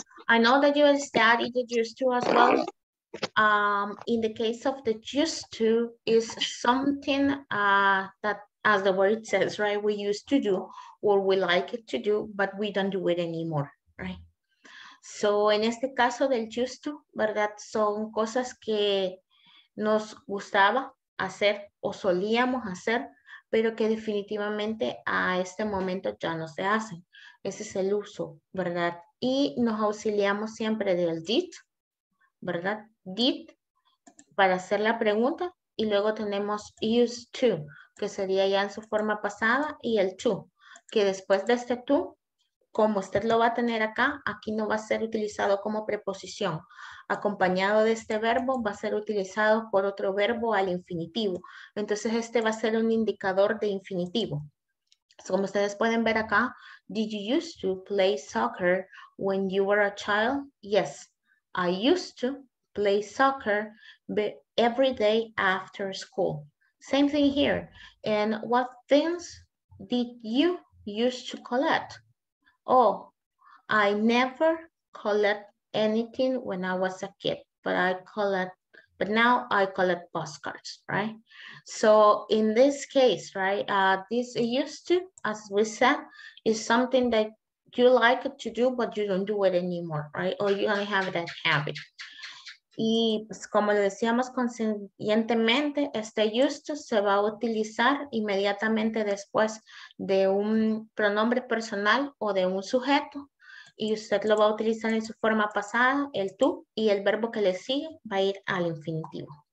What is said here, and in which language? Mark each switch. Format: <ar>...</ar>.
<en>I know that you studied it used to as well. In the case of the used to, is something that, as the word says, right, we used to do or we like it to do, but we don't do it anymore, right?</en> <es>So, en este caso del used to, ¿verdad? Son cosas que nos gustaba hacer o solíamos hacer, pero que definitivamente a este momento ya no se hacen. Ese es el uso, ¿verdad? Y nos auxiliamos siempre del did, ¿verdad? Did para hacer la pregunta y luego tenemos used to, que sería ya en su forma pasada, y el to, que después de este to, como usted lo va a tener acá, aquí no va a ser utilizado como preposición. Acompañado de este verbo, va a ser utilizado por otro verbo al infinitivo. Entonces, este va a ser un indicador de infinitivo.</es> <en>So,</en> <es>como ustedes pueden ver acá,</es> <en>did you used to play soccer when you were a child? Yes, I used to play soccer every day after school. Same thing here. And what things did you used to collect? Oh, I never collect anything when I was a kid, but I collect, but now I collect postcards, right? So in this case, right, this used to, as we said, is something that you like to do, but you don't do it anymore, right? Or you don't have that habit.</en> <es>Y pues, como lo decíamos conscientemente, este used to se va a utilizar inmediatamente después de un pronombre personal o de un sujeto. Y usted lo va a utilizar en su forma pasada, el tú, y el verbo que le sigue va a ir al infinitivo.</es>